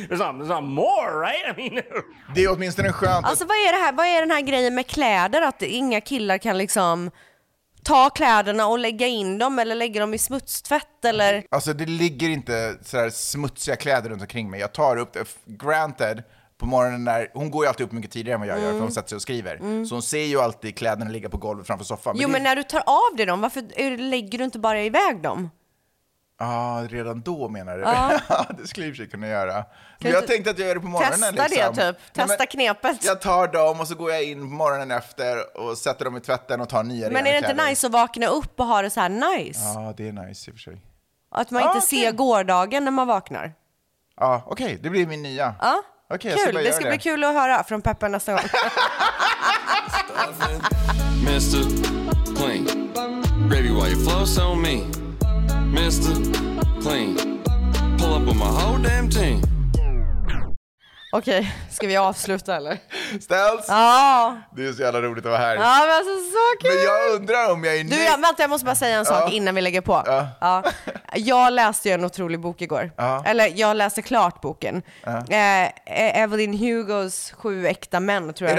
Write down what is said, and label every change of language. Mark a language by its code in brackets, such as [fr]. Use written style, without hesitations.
[en] There's not more, right? I mean. [sv] Det är åtminstone en skönt. Alltså vad är det här? Vad är den här grejen med kläder, att inga killar kan liksom ta kläderna och lägga in dem eller lägga dem i smutstvätt eller? Alltså det ligger inte så här smutsiga kläder runt omkring mig. Jag tar upp det, granted. På morgonen när, hon går ju alltid upp mycket tidigare än vad jag gör, för hon sätter sig och skriver. Mm. Så hon ser ju alltid kläderna ligga på golvet framför soffan. Jo, men när du tar av dig dem, varför lägger du inte bara iväg dem? Ja, redan då menar du. Det skulle ju kunna göra. Men jag tänkte att jag gör det på morgonen. Testa liksom. Det typ, testa knepet. Jag tar dem och så går jag in morgonen efter och sätter dem i tvätten och tar nya. Men är det inte nice att vakna upp och ha det så här nice? Ja, det är nice i och för sig. Att man inte ser gårdagen när man vaknar. Ja, okej, det blir min nya. Ja. Okej, kul, det ska det. Bli kul att höra från Peppa nästa gång. [en] Mr. Clean. Baby, why you flow so mean? Mr. Clean. Pull up with my whole damn team. [sv] Okej, ska vi avsluta eller? Ställs? Ja. Det är så jävla roligt att vara här. Ja, men alltså så kul. Men jag undrar om jag är du, vänta, jag måste bara säga en sak innan vi lägger på. Ja. Jag läste ju en otrolig bok igår. Ja. Eller jag läste klart boken. Ja. Evelyn Hugos 7 äkta män tror jag